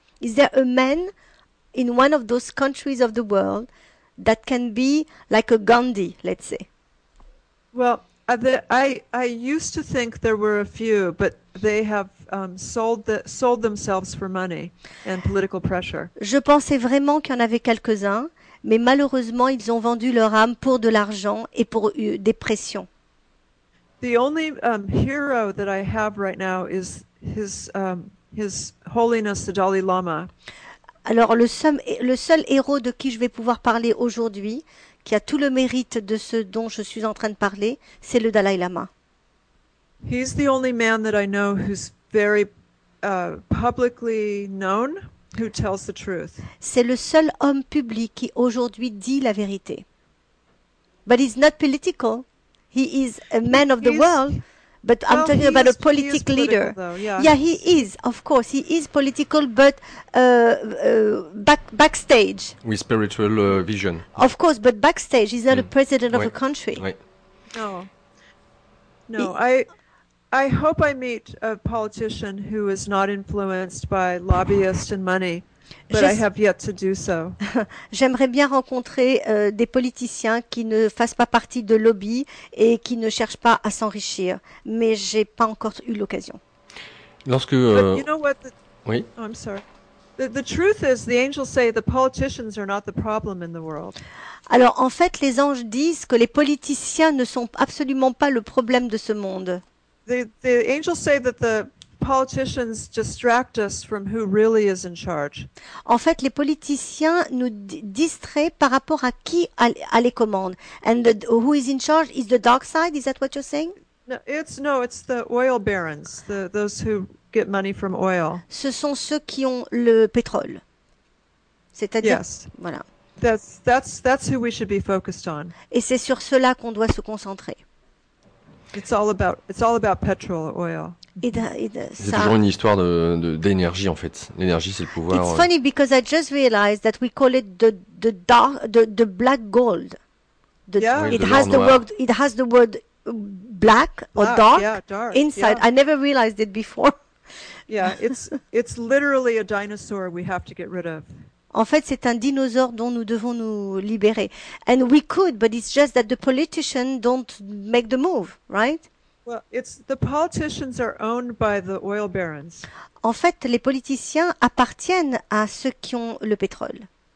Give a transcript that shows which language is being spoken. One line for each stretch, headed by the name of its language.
English: Is there a man in one of those countries of the world that can be like a Gandhi, let's say? Well, I used to think there were a few, but they have sold themselves for money and political pressure.
French: Je pensais vraiment qu'il y en avait quelques-uns, mais malheureusement, ils ont vendu leur âme pour de l'argent et pour des pressions.
English: The only hero that I have right now is his holiness the Dalai Lama.
French: Alors le seul héros de qui je vais pouvoir parler aujourd'hui, qui a tout le mérite de ce dont je suis en train de parler, c'est le Dalai Lama.
English: He's the only man that I know who's very publicly known, who tells the truth.
French: C'est le seul homme public qui aujourd'hui dit la vérité.
English: But he's not political. He is a man of the world. But well, I'm talking about a political leader. Though, yeah. Yeah, he is, of course. He is political, but backstage. With spiritual vision. Of course, but backstage. He's not a president of a country.
French: Oui.
English: No. No, I hope I meet a politician who is not influenced by lobbyists and money. But I have yet to do so.
French: J'aimerais bien rencontrer des politiciens qui ne fassent pas partie de lobby et qui ne cherchent pas à s'enrichir, mais j'ai pas encore eu l'occasion. Lorsque
English: you know what
French: Oui.
English: Oh, I'm sorry. The truth is the angels say the politicians are not the problem in the world.
French: Alors en fait les anges disent que les politiciens ne sont absolument pas le problème de ce monde.
English: The angels say that the politicians distract us from who really is in charge.
French: En fait, les politiciens nous distraient par rapport à qui a les commandes.
English: And who is in charge is the dark side, is that what you're saying? No, it's the oil barons, those who get money from oil.
French: Ce sont ceux qui ont le pétrole. C'est-à-dire
English: yes.
French: voilà.
English: That's who we should be focused on.
French: Et c'est sur cela qu'on doit se concentrer.
English: It's all about petrol, oil.
French: C'est toujours une histoire d'énergie en fait. L'énergie, c'est le pouvoir.
English: It's funny because I just realized that we call it the black gold. It has the word black or dark inside. Yeah. I never realized it before. Yeah, it's literally a dinosaur we have to get rid of.
French: En fait, c'est un dinosaure dont nous devons nous libérer.
English: And we could, but it's just that the politicians don't make the move, right? Well, the politicians are owned by the oil barons.
French: En fait, les politiciens appartiennent à ceux qui ont le pétrole.